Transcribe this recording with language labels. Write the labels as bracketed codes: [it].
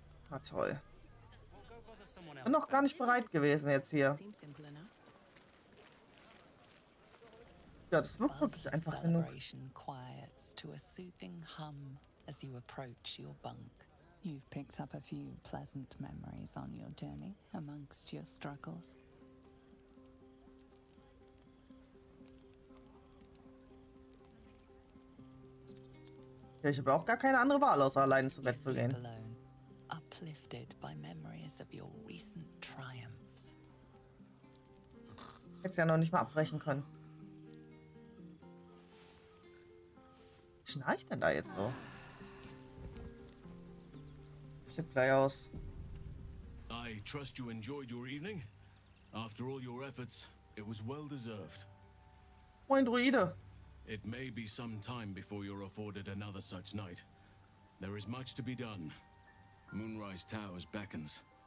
[de] Na toll. Bin noch gar nicht bereit gewesen jetzt hier. Ja, das wirkt wirklich einfach genug. [en] Quiets to a soothing hum as you approach your bunk. You've picked up a few pleasant memories on your journey amongst your struggles. [de] Ja, ich habe auch gar keine andere Wahl, außer allein zu Bett zu gehen. [en] Alone, uplifted by memories of your recent triumphs. [de] Hätte es ja noch nicht mal abbrechen können. Wie schnarcht denn da jetzt so? Flip gleich aus. [en] I trust you enjoyed your evening. After all your efforts, it was well deserved. [de] Moin, Druide. [en] It may be some time before you're afforded another such night. There is much to be done. Moonrise Towers beckons.